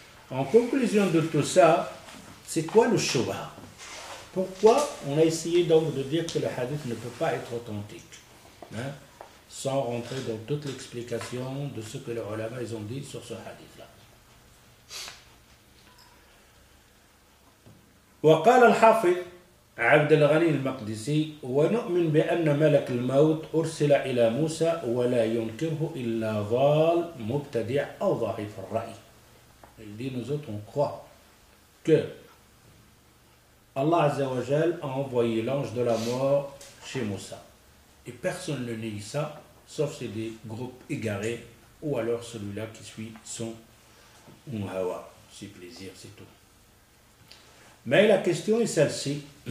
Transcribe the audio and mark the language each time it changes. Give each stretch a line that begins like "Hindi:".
French: En conclusion de tout ça, c'est quoi le shubha? Pourquoi on a essayé donc de dire que le hadith ne peut pas être authentique, hein? Sans rentrer dans toute l'explication de ce que les ulama ils ont dit sur ce hadith.
Arabic: وقال الحافظ عبد الغني المقدسي ونؤمن بأن ملك الموت أرسل إلى موسى ولا ينكره إلا ضال مبتدع أو ضعيف الرأي.
French: Il dit nous autres on croit que Allah Azzawajal a envoyé l'ange de la mort chez Moussa. Et personne ne nie ça, sauf c'est des groupes égarés ou alors celui-là qui suit son Mouhawa, ses plaisirs, c'est tout. Mais la question est celle-ci.